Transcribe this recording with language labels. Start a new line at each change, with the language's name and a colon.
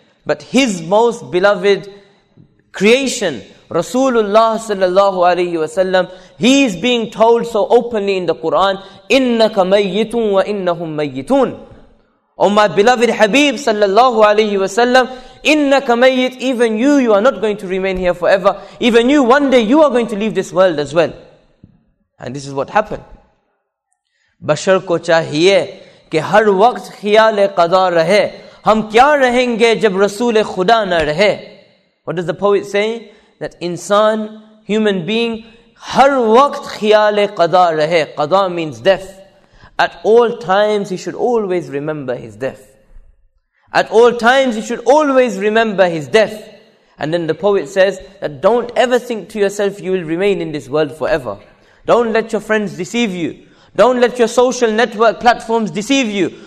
English: But His most beloved creation, Rasulullah sallallahu alayhi wa sallam, He is being told so openly in the Quran,
Arabic: إِنَّكَ مَيِّتٌ وَإِنَّهُمْ مَيِّتُونَ.
English: Oh, my beloved Habib sallallahu alayhi wa sallam,
Arabic: إِنَّكَ مَيِّتٌ.
English: Even you are not going to remain here forever. Even you, one day you are going to leave this world as well. And this is what happened.
Urdu: بشر کو چاہیے کہ ہر وقت خیال قضاء رہے ہم کیا رہیں گے جب رسول خدا نہ رہے.
English: What does the poet say? That انسان, human being,
Urdu: ہر وقت خیال قضاء رہے.
English: قضاء means death. At all times he should always remember his death. At all times he should always remember his death. And then the poet says that don't ever think to yourself you will remain in this world forever. Don't let your friends deceive you. Don't let your social network platforms deceive you.